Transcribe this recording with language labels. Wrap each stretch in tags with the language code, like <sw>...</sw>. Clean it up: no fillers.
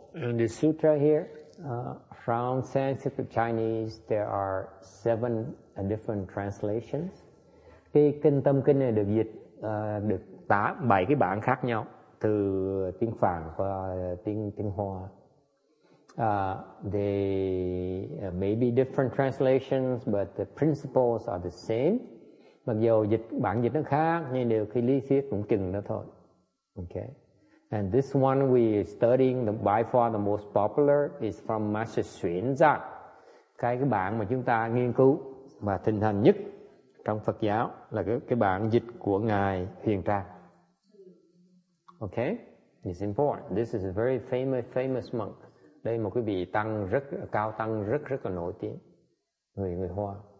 <en>In the sutra here, from Sanskrit to Chinese, there are 7 different translations.</en> <vi>Cái kinh Tâm Kinh này được dịch được 7 cái bản khác nhau từ tiếng Phạn và tiếng Hoa.</vi> <en>They may be different translations, but the principles are the same.</en> <vi>Mặc dù bản dịch nó khác, nhưng đều khi lý thuyết cũng chừng nó thôi.</vi> <en>Okay. And this one we are studying, by far the most popular, is from Master Xuyến Giác.</en> <vi>Cái bản mà chúng ta nghiên cứu và thịnh hành nhất trong Phật giáo là cái bản dịch của Ngài Huyền Trang. Okay?</vi> <en>It's important. This is a very famous monk.</en> <vi>Đây một cái vị tăng rất cao, tăng rất rất là nổi tiếng, người Hoa.</vi>